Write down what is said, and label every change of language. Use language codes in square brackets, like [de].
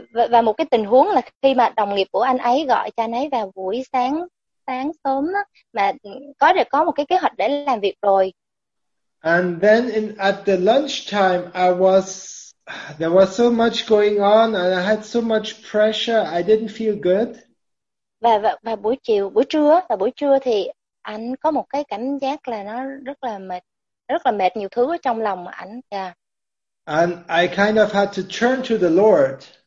[vi] Và một cái tình huống là khi mà đồng nghiệp của anh ấy gọi cho anh ấy vào buổi sáng sáng sớm đó, mà có được có một cái kế hoạch để làm việc rồi. [en] And then at the lunchtime, there was so much going on, and I had so much pressure. I didn't feel good. [vi] Và buổi chiều, buổi trưa và buổi trưa thì anh có một cái cảm giác là nó rất là mệt nhiều thứ ở trong lòng anh. [en] Yeah. And I kind of had to turn to the Lord.